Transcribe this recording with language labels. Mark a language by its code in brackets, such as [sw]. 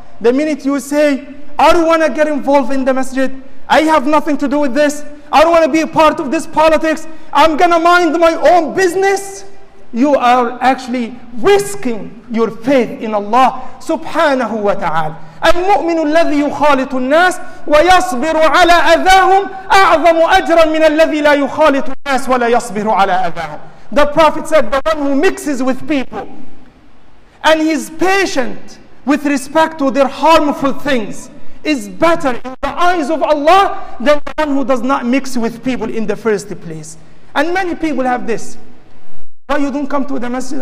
[en] The minute you say, I don't want to get involved in the masjid, I have nothing to do with this, I don't want to be a part of this politics, I'm going to mind my own business, you are actually risking your faith in Allah subhanahu wa ta'ala. [ar] المؤمن الذي يخالط الناس ويصبر على أذاهم أعظم أجرا من الذي لا يخالط الناس ولا يصبر على أذاهم. [en] The Prophet said, the one who mixes with people and he's patient with respect to their harmful things is better in the eyes of Allah than the one who does not mix with people in the first place. And many people have this. Why you don't come to the masjid?